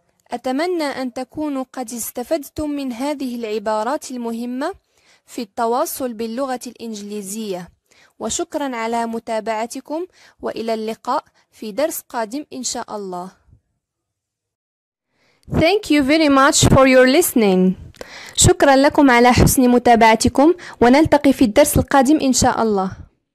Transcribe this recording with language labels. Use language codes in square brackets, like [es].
[ar] أتمنى أن تكونوا قد استفدتم من هذه العبارات المهمة في التواصل باللغة الإنجليزية، وشكرا على متابعتكم، وإلى اللقاء في درس قادم إن شاء الله. [en] Thank you very much for your listening. [ar] شكرا لكم على حسن متابعتكم، ونلتقي في الدرس القادم إن شاء الله.